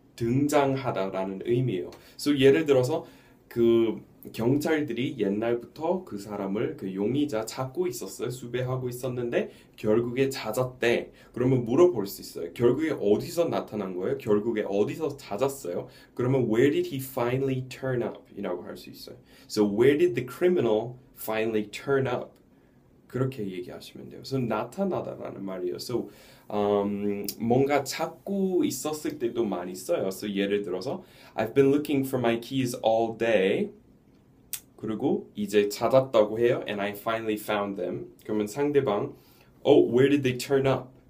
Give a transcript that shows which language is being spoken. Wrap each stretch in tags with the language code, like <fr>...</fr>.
<ko>등장하다라는 의미예요. 그래서 예를 들어서 그 경찰들이 옛날부터 그 사람을 그 용의자 찾고 있었어요. 수배하고 있었는데 결국에 찾았대. 그러면 물어볼 수 있어요. 결국에 어디서 나타난 거예요? 결국에 어디서 찾았어요? 그러면</ko> <en>where did he finally turn up?</en> <ko>이라고 할수 있어요.</ko> <en>So where did the criminal finally turn up?</en> <ko>그렇게 얘기하시면 돼요. So 나타나다라는 말이에요. So 뭔가 찾고 있었을 때도 많이 써요.</ko> <en>So</en> <ko>예를 들어서</ko> <en>I've been looking for my keys all day.</en> <ko>그리고 이제 찾았다고 해요.</ko> <en>And I finally found them.</en> <ko>그러면 상대방,</ko> <en>Oh, where did they turn up?</en>